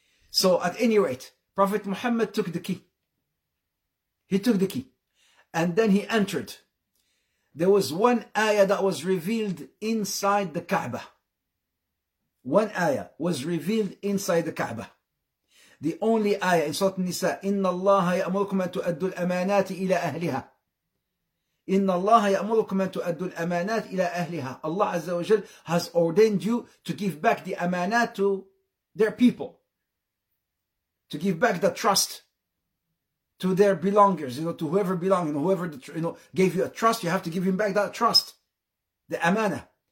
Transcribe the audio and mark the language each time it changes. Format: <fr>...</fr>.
<en>So at any rate, Prophet Muhammad took the key. He took the key. And then he entered. There was one ayah that was revealed inside the Kaaba. One ayah was revealed inside the Kaaba. The only ayah in Surah An-Nisa,</en> <ar>إِنَّ اللَّهَ يَأْمُرُكُمْ أَن تُؤَدُّوا الْأَمَانَاتِ إِلَىٰ أَهْلِهَا. إِنَّ اللَّهَ يَأْمُرُكُمْ أَن تُؤَدُّوا الْأَمَانَاتِ إِلَىٰ أَهْلِهَا.</ar> <en>Allah Azza wa Jal has ordained you to give back the amanat to their people. To give back the trust to their belongers, you know, to whoever belong, you know, whoever, you know, gave you a trust, you have to give him back that trust, the amana.</en>